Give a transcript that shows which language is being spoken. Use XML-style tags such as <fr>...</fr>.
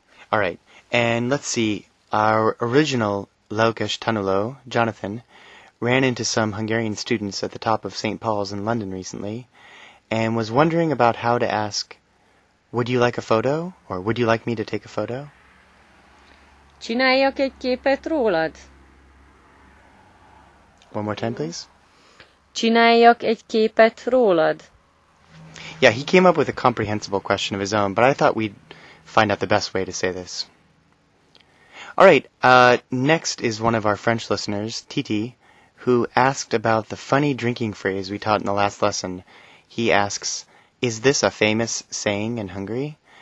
<en>All right. And let's see. Our original Laukesh Tanulo, Jonathan, ran into some Hungarian students at the top of St. Paul's in London recently and was wondering about how to ask, would you like a photo? Or would you like me to take a photo?</en> <hu>Csináljak egy képet rólad.</hu> <en>One more time, please.</en> <hu>Csináljak egy képet rólad.</hu> <en>Yeah, he came up with a comprehensible question of his own, but I thought we'd find out the best way to say this. All right, next is one of our French listeners, Titi, who asked about the funny drinking phrase we taught in the last lesson. He asks, is this a famous saying in Hungary?</en>